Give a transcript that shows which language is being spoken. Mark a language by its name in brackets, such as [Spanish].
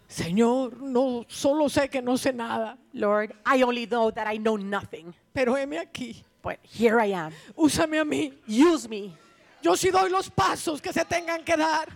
[Spanish] Señor, no solo sé que no sé nada. [English] Lord, I only know that I know nothing. [Spanish] Pero heme aquí. [English] But here I am. [Spanish] Úsame a mí. [English] Use me. [Spanish] Yo sí doy los pasos que se tengan que dar.